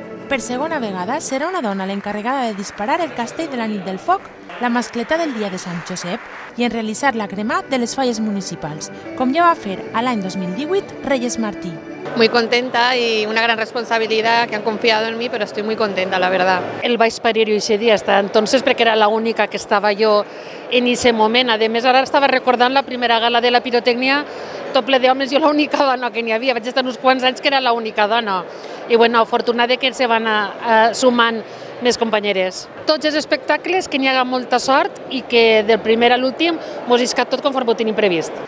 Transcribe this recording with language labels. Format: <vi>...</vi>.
<ca>Per segona vegada serà una dona l'encarregada de disparar el castell de la nit del foc, la mascleta del dia de Sant Josep i en realitzar la crema de les falles municipals, com ja va fer a l'any 2018 Reyes Martí.</ca> <es>Muy contenta y una gran responsabilidad que han confiado en mí, pero estoy muy contenta, la verdad.</es> <ca>El vaig parir jo</ca> <es>ese dia, hasta entonces,</es> <ca>perquè era la única que estava jo en ese moment. A més, ara estava recordant la primera gala de la pirotècnia, tot ple d'homes, jo l'única dona que n'hi havia. Vaig estar uns quants anys que era l'única dona. I, bueno, afortunada que se van sumant més companyeres. Tots els espectacles, que n'hi haga molta sort i que del primer a l'últim mos isca tot conforme ho tenim previst.</ca>